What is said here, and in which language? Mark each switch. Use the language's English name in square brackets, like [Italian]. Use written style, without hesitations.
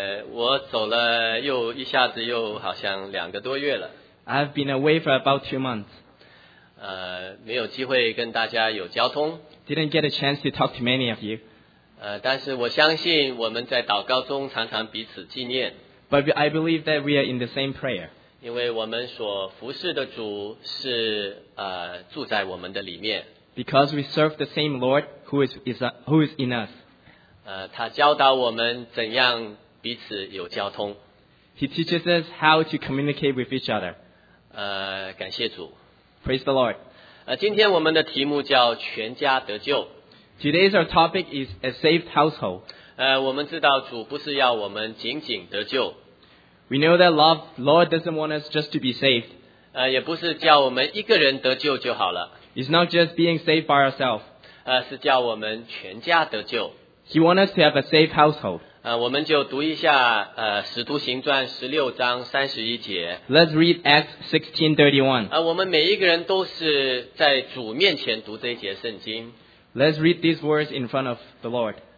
[Chinese] 我走了又一下子又好像两个多月了。 [English] I've been away for about 2 months. [Chinese] 没有机会跟大家有交通。 [English] Didn't get a chance to talk to many of you. [Chinese] 但是我相信我们在祷告中常常彼此纪念。 [English] But I believe that we are in the same prayer. [Chinese] 因为我们所服侍的主是住在我们的里面。 [English] Because we serve the same Lord who is in us. [Chinese] 他教导我们怎样彼此有交通。 [English] He teaches us how to communicate with each other. [Chinese] 感谢主。 [English] Praise the Lord. [Chinese] 今天我们的题目叫全家得救。 [English] Today's our topic is a saved household. [Chinese] 我们知道主不是要我们仅仅得救。 [English] We know that the Lord doesn't want us just to be saved. [Chinese] 也不是叫我们一个人得救就好了。 [English] It's not just being saved by ourselves. [Chinese] 是叫我们全家得救。 [English] He wants us to have a saved household. [Chinese] 我们就读一下使徒行传16章31节。 [English] Let's read Acts 16:31. [Chinese] 我们每一个人都是在主面前读这一节圣经。 [English] Let's read these words in front of the Lord.